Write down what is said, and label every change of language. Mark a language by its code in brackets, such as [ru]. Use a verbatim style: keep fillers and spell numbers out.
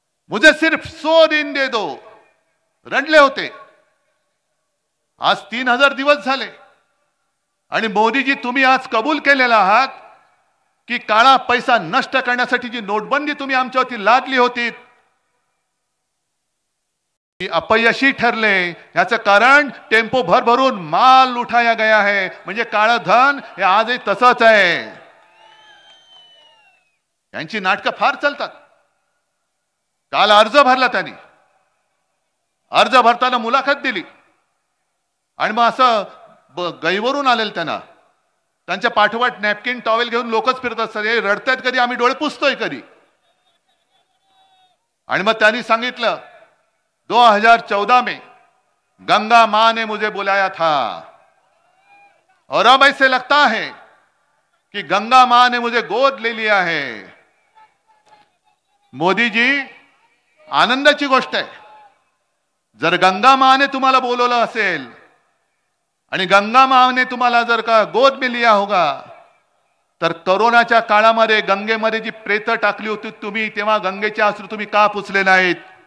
[hi] मुझे सिर्फ सो दिन दे दो, [mr] रडले होते. आज तीन हजार दिवस झाले आणि मोदीजी तुम्ही आज कबूल केलेला आहात की काळा पैसा नष्ट करण्यासाठी जी नोटबंदी तुम्ही आमच्यावरती लादली होती ती अपयशी ठरले. याचं कारण टेम्पो भरभरून माल [hi] उठाया गया है. [mr] म्हणजे काळं धन हे आजही तसंच आहे. यांची नाटकं फार चालतात. काल अर्ज भरला त्यांनी, अर्ज भरताना मुलाखत दिली आणि मग असं गईवरून आलेलं त्यांना, त्यांच्या पाठोपाठ नॅपकिन टॉवेल घेऊन लोकच फिरत असतात. हे रडतायत कधी, आम्ही डोळे पुसतोय कधी. आणि मग त्यांनी सांगितलं [hi] दो हजार चौदा मे गंगा माँ ने मुझे बुलाया था और अब ऐसे लगता है कि गंगा माँ ने मुझे गोद ले लिया है. [mr] मोदीजी, आनंदाची गोष्ट आहे, जर गंगा माने तुम्हाला बोलवलं असेल आणि गंगा माने तुम्हाला जर का [hi] गोद में लिया होगा [mr] तर करोनाच्या काळामध्ये गंगेमध्ये जी प्रेत टाकली होती तुम्ही, तेव्हा गंगेचे अश्रू तुम्ही का पुसले नाहीत.